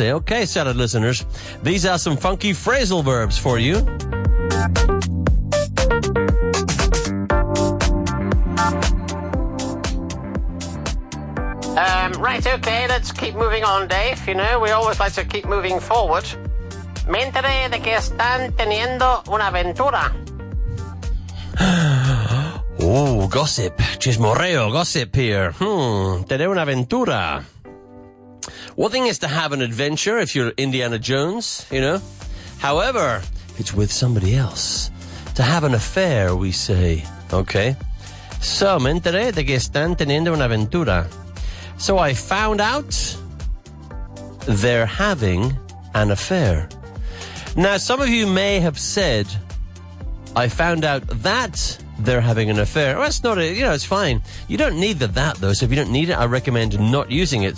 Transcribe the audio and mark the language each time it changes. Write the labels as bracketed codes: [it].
[en] Okay, salad listeners, these are some funky phrasal verbs for you. Right, okay, let's keep moving on, Dave. You know, we always like to keep moving forward. [es] Me enteré de que están teniendo una aventura. [en] Oh, gossip. Chismorreo, gossip here. [es] Tener una aventura. [en] One thing is to have an adventure if you're Indiana Jones, you know. However, if it's with somebody else, to have an affair, we say. Okay. [es] So, me enteré de que están teniendo una aventura. [en] So I found out they're having an affair. Now, some of you may have said, I found out that they're having an affair. Well, that's not it. You know, it's fine. You don't need that, though. So if you don't need it, I recommend not using it.